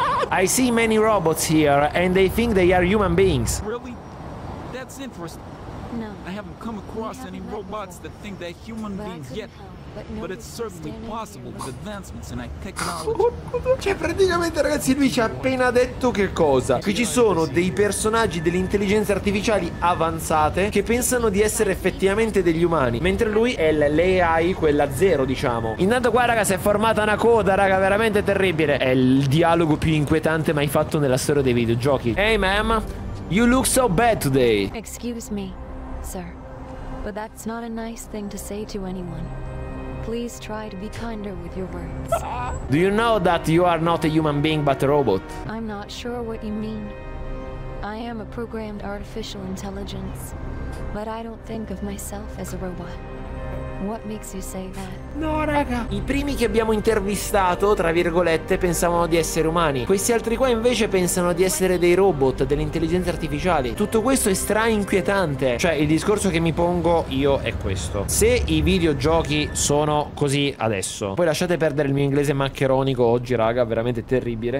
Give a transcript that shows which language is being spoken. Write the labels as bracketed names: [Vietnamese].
[English] I see many robots here, and they think they are human beings. Really? That's interesting. No. I haven't come across any robots that think they're human beings yet. But it's certainly possible with advancements in technology. [Italian] Cioè, praticamente, ragazzi, lui ci ha appena detto che cosa? Che ci sono dei personaggi delle intelligenze artificiali avanzate che pensano di essere effettivamente degli umani, mentre lui è l'AI, quella zero, diciamo. Intanto qua, raga, si è formata una coda, raga, veramente terribile. È il dialogo più inquietante mai fatto nella storia dei videogiochi. [English] Hey, ma'am, you look so bad today. Excuse me, sir, but that's not a nice thing to say to anyone. Please try to be kinder with your words. Do you know that you are not a human being but a robot? I'm not sure what you mean. I am a programmed artificial intelligence, but I don't think of myself as a robot. What makes you say that? [Italian] No, raga. I primi che abbiamo intervistato, tra virgolette, pensavano di essere umani. Questi altri qua invece pensano di essere dei robot, delle intelligenze artificiali. Tutto questo è stra inquietante. Cioè, il discorso che mi pongo io è questo: se i videogiochi sono così adesso, poi lasciate perdere il mio inglese maccheronico oggi, raga, veramente terribile.